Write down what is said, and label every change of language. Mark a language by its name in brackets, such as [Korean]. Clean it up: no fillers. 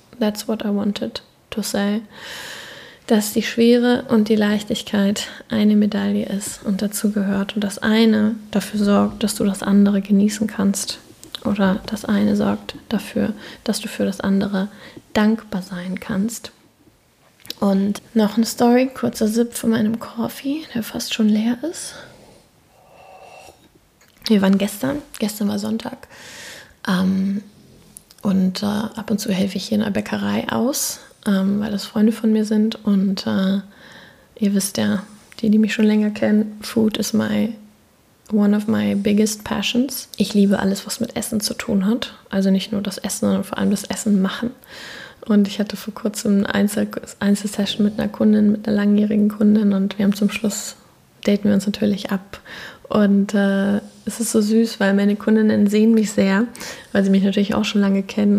[English] That's what I wanted to say. [German] Dass die Schwere und die Leichtigkeit eine Medaille ist und dazu gehört. Und das eine dafür sorgt, dass du das andere genießen kannst. Oder das eine sorgt dafür, dass du für das andere dankbar sein kannst. Und noch eine Story, kurzer Sip von meinem Coffee, der fast schon leer ist. Wir waren gestern war Sonntag. Ab und zu helfe ich hier in der Bäckerei aus, weil das Freunde von mir sind. Und ihr wisst ja, die mich schon länger kennen, Food is my [English] one of my biggest passions. [German] Ich liebe alles, was mit Essen zu tun hat. Also nicht nur das Essen, sondern vor allem das Essen machen. Und ich hatte vor kurzem eine Einzelsession mit einer Kundin, mit einer langjährigen Kundin. Und wir haben zum Schluss, daten wir uns natürlich ab. Und es ist so süß, weil meine Kundinnen sehen mich sehr, weil sie mich natürlich auch schon lange kennen.